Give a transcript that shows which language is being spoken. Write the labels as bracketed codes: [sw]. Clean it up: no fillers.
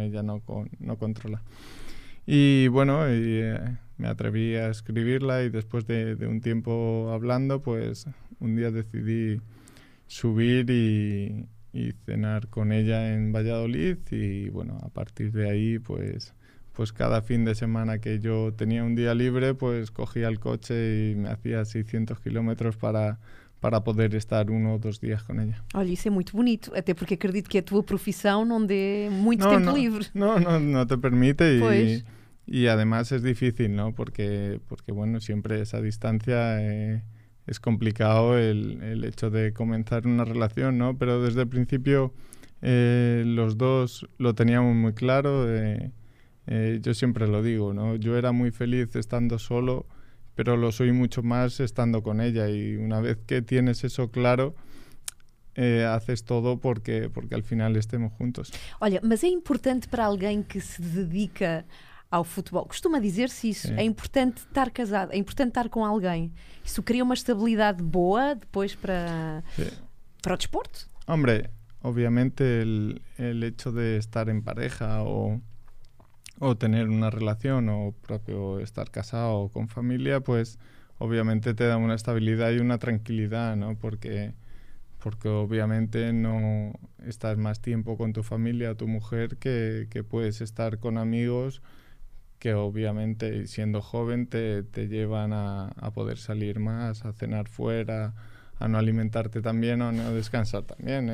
[es] Ella no controla. Y bueno, me atreví a escribirla y después de un tiempo hablando, pues un día decidí subir y cenar con ella en Valladolid y bueno, a partir de ahí pues cada fin de semana que yo tenía un día libre, pues cogía el coche y me hacía 600 kilómetros para poder estar uno o dos días con ella. [pt] Olha, isso é muito bonito, até porque acredito que a tua profissão não dê muito tempo livre. Não te permite [es] y además es difícil, ¿no? Porque bueno, siempre esa distancia es complicado el hecho de comenzar una relación, ¿no? Pero desde el principio los dos lo teníamos muy claro. Yo siempre lo digo, ¿no? Yo era muy feliz estando solo, pero lo soy mucho más estando con ella. Y una vez que tienes eso claro, haces todo porque al final estemos juntos. [pt] Olha, mas é importante para alguém que se dedica ao futebol. Costuma dizer-se isso. Sim. É importante estar casado, é importante estar com alguém. Isso cria uma estabilidade boa depois para o desporto? [es] Hombre, obviamente el hecho de estar em pareja o tener una relación o propio estar casado o con familia, pues obviamente te da una estabilidad y una tranquilidad, ¿no? Porque obviamente no estás más tiempo con tu familia, tu mujer, que puedes estar con amigos que obviamente siendo joven te llevan a poder salir más, a cenar fuera, a no alimentarte tan bien o a no descansar tan bien.